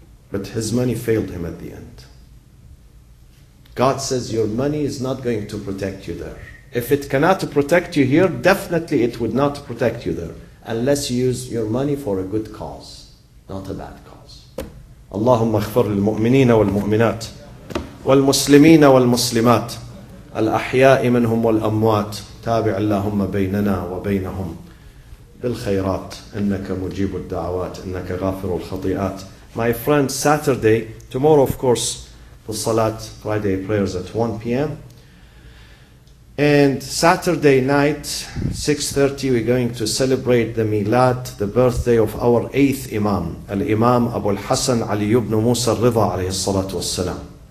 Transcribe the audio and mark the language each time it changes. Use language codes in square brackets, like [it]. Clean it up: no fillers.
[en] But his money failed him at the end. God says your money is not going to protect you there. If it cannot protect you here, definitely it would not protect you there. Unless you use your money for a good cause, not a bad cause. [ar] Allahumma اغفر للمؤمنين والمؤمنات والمسلمين والمسلمات الأحياء منهم والأموات تابع اللهم بيننا وبينهم بالخيرات إنك مجيب الدعوات إنك غافر الخطيئات. [en] My friend, Saturday, tomorrow of course, the Salat Friday prayers at 1 p.m. And Saturday night, 6:30, we're going to celebrate the Milad, the birthday of our 8th Imam, Al-Imam Abu al-Hasan Ali ibn Musa al-Ridha alayhi salatu wassalam.